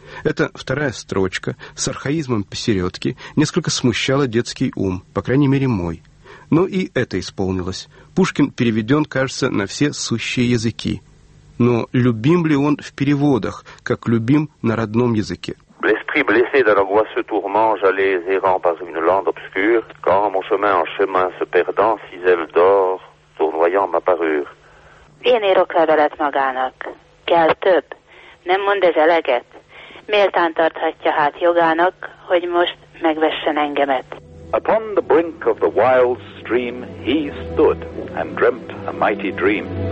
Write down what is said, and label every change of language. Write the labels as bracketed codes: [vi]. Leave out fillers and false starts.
[ru] Эта вторая строчка с архаизмом посередке несколько смущала детский ум, по крайней мере, мой. Но и это исполнилось. Пушкин переведен, кажется, на все сущие языки. Но любим ли он в переводах, как любим на родном языке? [fr] L'esprit blessé d'un angoisse tourment, j'allais errant par une lande obscure, quand mon chemin en chemin se perdant, six ailes d'or tournoyant ma parure. [hu] Én érok levelet magának. Kell több. Nem mond ez eleget. Méltán tarthatja hát jogának, hogy most megvessen engemet. [en] Upon the brink of the wild stream, he stood and dreamt a mighty dream.